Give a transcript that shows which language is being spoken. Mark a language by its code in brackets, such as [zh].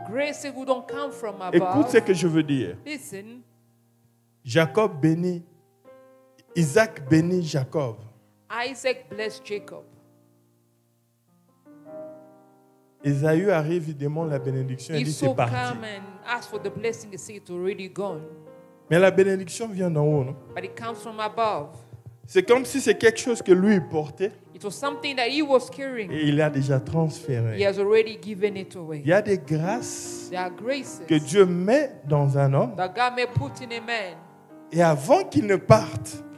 [en] Graces who don't come from above. [fr] Écoute ce que je veux dire. [en] Listen. [fr] Jacob bénit. Isaac bénit Jacob. [en] Isaac blessed Jacob. [fr] Ésaü arrive, il demande la bénédiction, il dit c'est parti. [en] Come and ask for the blessing, he said it's already gone. [fr] Mais la bénédiction vient d'en haut, non? [en] But it comes from above. [fr] C'est comme si c'est quelque chose que lui portait. [en] It was something that he was carrying. [fr] Et il a déjà transféré. [en] He has already given it away. [fr] Il y a des grâces. [en] There are graces [fr] que Dieu met dans un homme. [en] That God may put in a man. [fr] Et avant qu'il ne parte,